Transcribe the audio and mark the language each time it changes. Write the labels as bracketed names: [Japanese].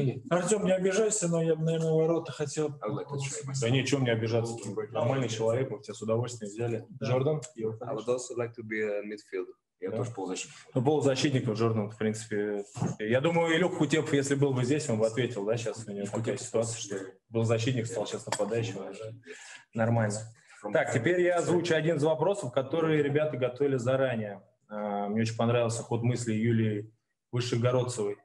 [Russian] Артем, не обижайся, но я бы, наверное, ворота хотел... Да нет, чем не обижаться? Нормальный человек, мы тебя с удовольствием взяли. Джордан? [English] I would also like to be a midfielder. [Russian] Я тоже полузащитник. Ну, полузащитник, Джордан, в принципе. Я думаю, Илюх Кутепов, если был бы здесь, он бы ответил, да, сейчас у него такая ситуация, что был защитник, стал сейчас нападающим. Нормально. Так, теперь я озвучу один из вопросов, которые ребята готовили заранее. Мне очень понравился ход мыслей Юлии Вышегородцевой.